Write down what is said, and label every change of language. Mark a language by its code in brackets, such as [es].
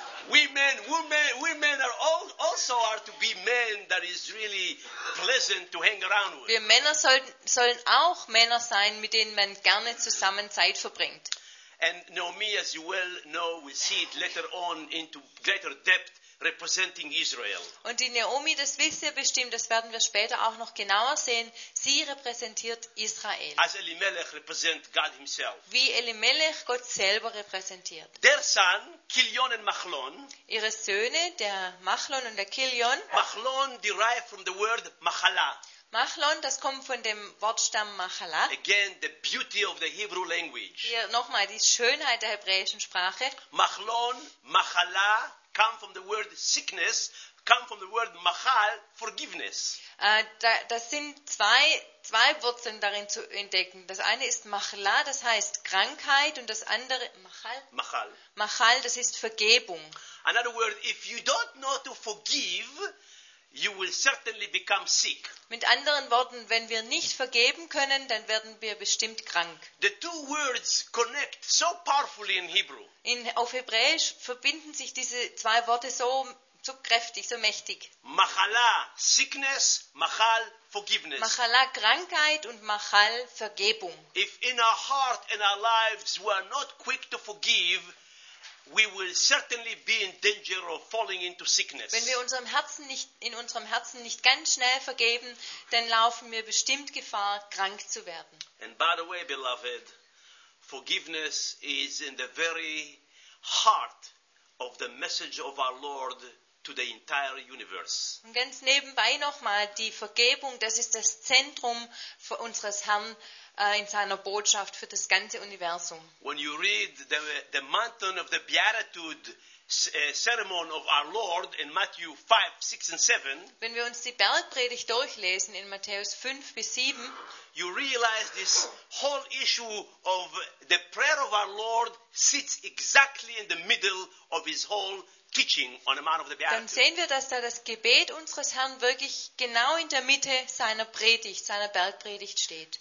[en] We men are all also are to be men that is really pleasant to hang around with. [de] Wir Männer sollen auch Männer sein, mit denen man gerne zusammen Zeit verbringt. [en] And Naomi, as you well know, we see it later on into greater depth, representing Israel. [de] Und die Naomi, das wisst ihr bestimmt, das werden wir später auch noch genauer sehen. Sie repräsentiert Israel. [en] As Elimelech represent God himself. [de] Wie Elimelech Gott selber repräsentiert. Der Son, Kilion und Machlon. Ihre Söhne, der Machlon und der Kilion. [en] Machlon derived from the word Machala. [de] Machlon, das kommt von dem Wortstamm Machala. [en] Again, the beauty of the Hebrew language. [de] Hier nochmal die Schönheit der hebräischen Sprache. [en] Machlon, Machala, come from the word sickness, come from the word machal, forgiveness. [de] Das sind zwei Wurzeln darin zu entdecken. Das eine ist Machla, das heißt Krankheit, und das andere Machal. Machal. Machal, das ist Vergebung. [en] In other words, if you don't know to forgive, you will certainly become sick. [de] Mit anderen Worten, wenn wir nicht vergeben können, dann werden wir bestimmt krank. [en] The two words connect so powerfully in Hebrew. [de] Auf Hebräisch verbinden sich diese zwei Worte so kräftig, so mächtig. [en] Machala, sickness, machal, forgiveness. [de] Machala, Krankheit, und machal, Vergebung. [en] If in our heart and our lives we are not quick to forgive, we will certainly be in danger of falling into sickness. [de] Wenn wir in unserem Herzen nicht ganz schnell vergeben, dann laufen wir bestimmt Gefahr, krank zu werden. [en] And by the way, beloved, forgiveness is in the very heart of the message of our Lord to the entire universe. [de] Und ganz nebenbei nochmal, die Vergebung, das ist das Zentrum für unseres Herrn in seiner Botschaft für das ganze Universum. [en] When you read the mountain of the Beatitude ceremony of our Lord in Matthew 5, 6 and 7, [de] wenn wir uns die Bergpredigt durchlesen in Matthäus 5 bis 7, [en] you realize this whole issue of the prayer of our Lord sits exactly in the middle of his whole teaching on the Mount of the Beatitude. [de] Dann sehen wir, dass da das Gebet unseres Herrn wirklich genau in der Mitte seiner Predigt, seiner Bergpredigt steht.